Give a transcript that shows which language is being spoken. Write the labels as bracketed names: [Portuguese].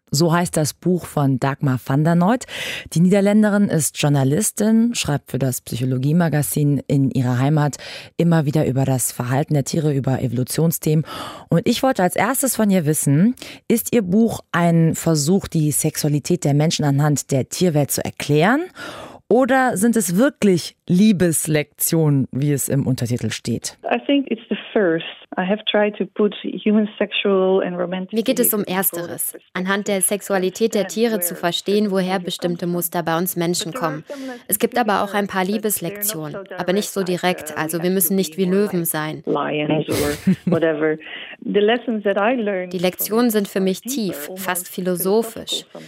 [German] So heißt das Buch von Dagmar van der Noot. Die Niederländerin ist Journalistin, schreibt für das Psychologie-Magazin in ihrer Heimat immer wieder über das Verhalten der Tiere, über Evolutionsthemen. Und ich wollte als erstes von ihr wissen, ist ihr Buch ein Versuch, die Sexualität der Menschen anhand der Tierwelt zu erklären? Oder sind es wirklich Liebeslektionen, wie es im Untertitel steht? [English] I think it's the first. I have tried to put human sexual and romantic. [German] Mir geht es um Ersteres, anhand der Sexualität der Tiere zu verstehen, woher bestimmte Muster bei uns Menschen kommen. Es gibt aber auch ein paar Liebeslektionen, aber nicht so direkt. Also wir müssen nicht wie Löwen sein. Die Lektionen sind für mich tief, fast philosophisch.